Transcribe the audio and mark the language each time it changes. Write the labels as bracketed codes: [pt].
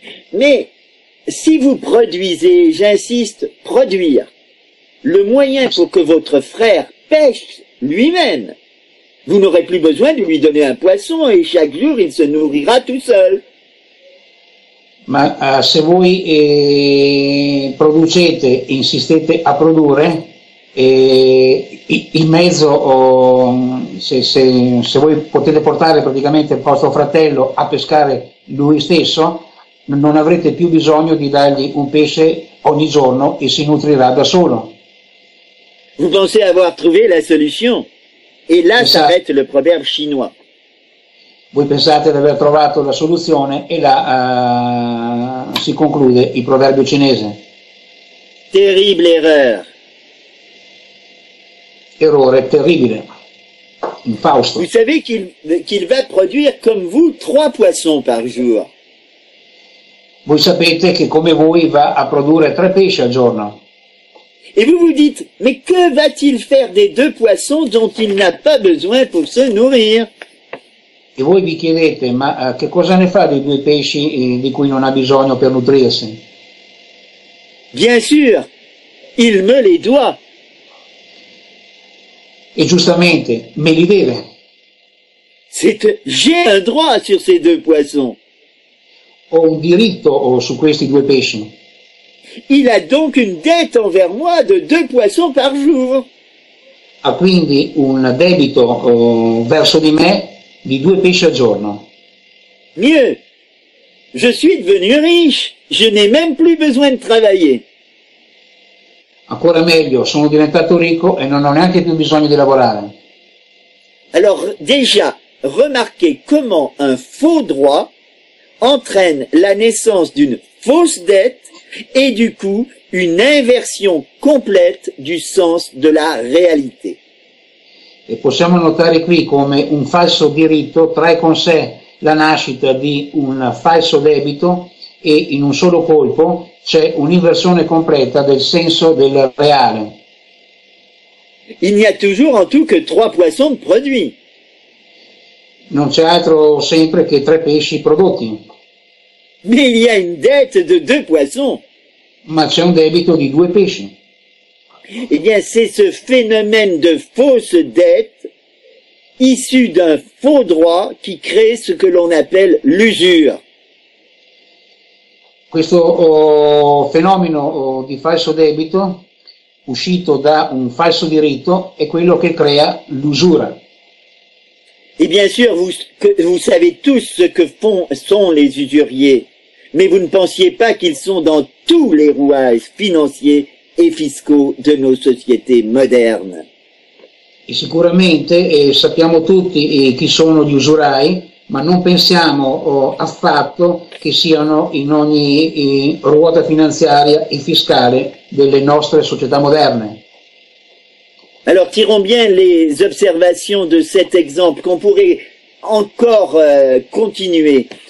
[fr] Mais si vous produisez, j'insiste, produire le moyen pour que votre frère pêche lui-même, vous n'aurez plus besoin de lui donner un poisson et chaque jour il se nourrira tout seul. [it] Ma se voi producete, insistete a produrre, il mezzo se voi potete portare praticamente il vostro fratello a pescare lui stesso, non avrete più bisogno di dargli un pesce ogni giorno e si nutrirà da solo. [fr] Vous pensez avoir trouvé la solution et là s'arrête le proverbe chinois. [it] Voi pensate di aver trovato la soluzione e là si conclude il proverbio cinese. [fr] Terrible erreur. [it] Errore terribile. In Fausto. [fr] Vous savez qu'il va produire comme vous 3 poissons par jour. [it] Voi sapete che come voi va a produrre 3 pesci al giorno. [fr] Et vous vous dites, mais que va-t-il faire des 2 poissons dont il n'a pas besoin pour se nourrir? [it] E voi vi chiedete, ma che cosa ne fa dei due pesci di cui non ha bisogno per nutrirsi? [fr] Bien sûr, il me les doit. [it] E giustamente, me li deve. [fr] J'ai un droit sur ces deux poissons. [it] Ho un diritto su questi due pesci. [fr] Il a donc une dette envers moi de deux poissons par jour. [it] Ha quindi un debito verso di me di due pesci al giorno. [fr] Mieux, je suis devenu riche, je n'ai même plus besoin de travailler. [it] Ancora meglio, sono diventato ricco e non ho neanche più bisogno di lavorare. [fr] Alors déjà, remarquez comment un faux droit entraîne la naissance d'une fausse dette et du coup une inversion complète du sens de la réalité. [it] E possiamo notare qui come un falso diritto trae con sé la nascita di un falso debito e in un solo colpo c'è un'inversione completa del senso del reale. [fr] Il n'y a toujours en tout que trois poissons de produits. [it] Non c'è altro sempre che tre pesci prodotti. [fr] Mais il y a une dette de deux poissons. [it] Ma c'è un debito di due pesci. [fr] Eh bien, c'est ce phénomène de fausse dette issu d'un faux droit qui crée ce que l'on appelle l'usure. [it] Questo fenomeno di falso debito, uscito da un falso diritto, è quello che crea l'usura. [fr] Et bien sûr, vous savez tous ce que sont les usuriers, mais vous ne pensiez pas qu'ils sont dans tous les rouages financiers et fiscaux de nos sociétés modernes. [it] E sicuramente sappiamo tutti chi sono gli usurai. Ma non pensiamo affatto che siano in ogni ruota finanziaria e fiscale delle nostre società moderne. [fr] Alors, tirons bien les observations de cet exemple qu'on pourrait encore continuer.